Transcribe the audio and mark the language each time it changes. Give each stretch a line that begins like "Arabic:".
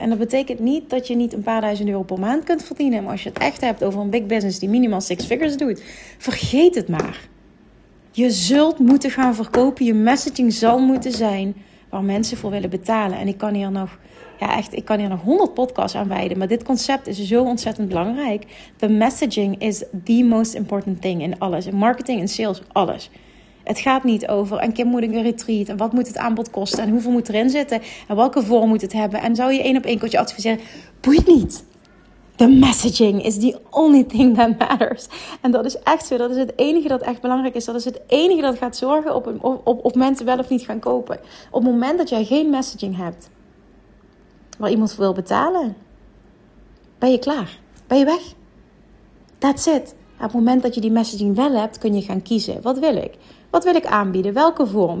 Dutch: En dat betekent niet dat je niet een paar duizend euro per maand kunt verdienen. Maar als je het echt hebt over een big business die minimaal six figures doet. Vergeet het maar. Je zult moeten gaan verkopen. Je messaging zal moeten zijn waar mensen voor willen betalen. En ik kan hier nog... ja, echt, ik kan hier nog 100 podcasts aan wijden. Maar dit concept is zo ontzettend belangrijk.
English: The messaging is the most important thing in
Dutch: alles. In marketing, in sales, alles. Het gaat niet over, en Kim moet ik een retreat? En wat moet het aanbod kosten? En hoeveel moet erin zitten? En welke vorm moet het hebben? En zou je één op één coach adviseren? Boeit niet.
English: The messaging is the only thing that matters.
Dutch: En dat is echt zo. Dat is het enige dat echt belangrijk is. Dat is het enige dat gaat zorgen op mensen wel of niet gaan kopen. Op het moment dat jij geen messaging hebt... waar iemand voor wil betalen, ben je klaar. Ben je weg.
English: That's it.
Dutch: Op het moment dat je die messaging wel hebt, kun je gaan kiezen. Wat wil ik? Wat wil ik aanbieden? Welke vorm?